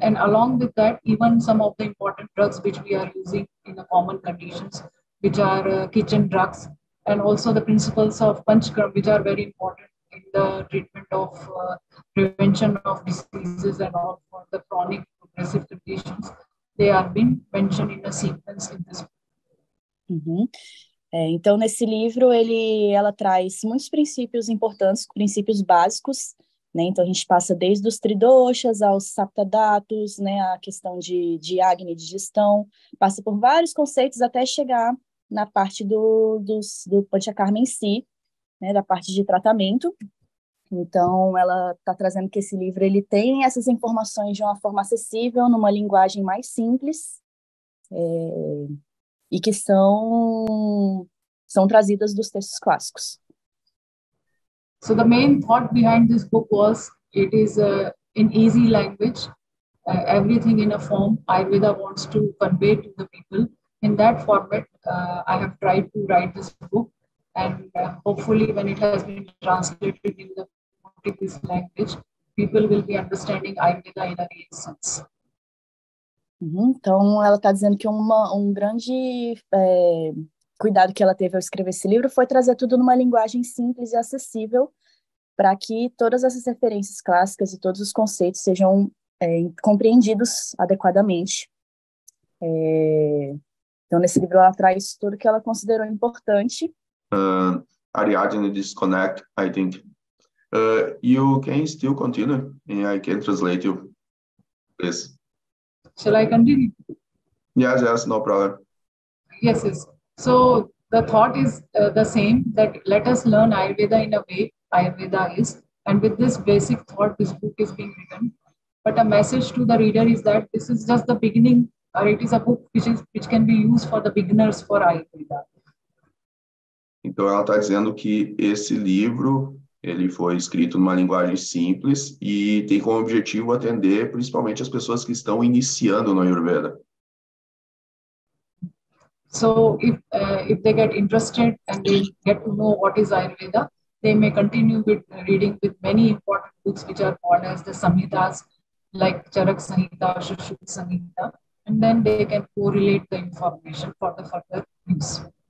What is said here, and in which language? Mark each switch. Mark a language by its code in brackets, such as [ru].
[en] And along with that, even some of the important drugs which we are using in the common conditions, which are kitchen drugs, and also the principles of Panchakarma, which are very important in the treatment of prevention of diseases and all for the chronic progressive conditions, they are being mentioned in a sequence in this book. Mm-hmm. [pt] Então, nesse livro, ela traz muitos princípios importantes, princípios básicos, né? Então, a gente passa desde os tridoshas aos saptadhatus, né? A questão de Agni, de digestão, passa por vários conceitos até chegar na parte do Panchakarma em si, né? Da parte de tratamento. Então, ela está trazendo que esse livro ele tem essas informações de uma forma acessível, numa linguagem mais simples, e que são trazidas dos textos clássicos. [en] So the main thought behind this book was it is in easy language, everything in a form Ayurveda wants to convey to the people, in that format, I have tried to write this book, and hopefully when it has been translated in the Portuguese language, people will be understanding Ayurveda in a real sense. [pt] Então, ela está dizendo que um grande cuidado que ela teve ao escrever esse livro foi trazer tudo numa linguagem simples e acessível para que todas essas referências clássicas e todos os conceitos sejam compreendidos adequadamente. Então, nesse livro, ela traz tudo que ela considerou importante. [en] Ariadne disconnect, I think. You can still continue, and I can translate you, please. Shall I continue? Yes, no problem. Yes. So the thought is the same, that let us learn Ayurveda in a way Ayurveda is. And with this basic thought, this book is being written. But a message to the reader is that this is just the beginning, or it is a book which can be used for the beginners for Ayurveda. [pt] Então ela está dizendo que esse livro, ele foi escrito numa linguagem simples e tem como objetivo atender principalmente as pessoas que estão iniciando no Ayurveda. [en] So if they get interested and they get to know what is Ayurveda, they may continue with reading with many important books which are called as the Samhitas, like Charak Samhita, Shushruta Samhita, and then they can correlate the information for the further use.